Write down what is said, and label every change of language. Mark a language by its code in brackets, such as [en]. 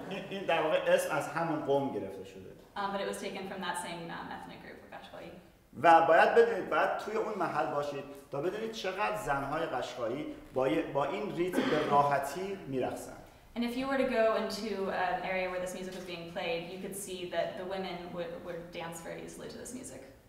[fa] این در واقع اسم از همون قوم گرفته شده. [en] But it was taken from that same ethnic group of قشقایی. [fa] و باید بدونید بعد توی اون محل باشید تا بدونید چقدر زنهای قشقایی با این ریتم به راحتی میرقصن. [en] And if you were to go into an area where this music was being played, you could see that the women would dance very easily to this music.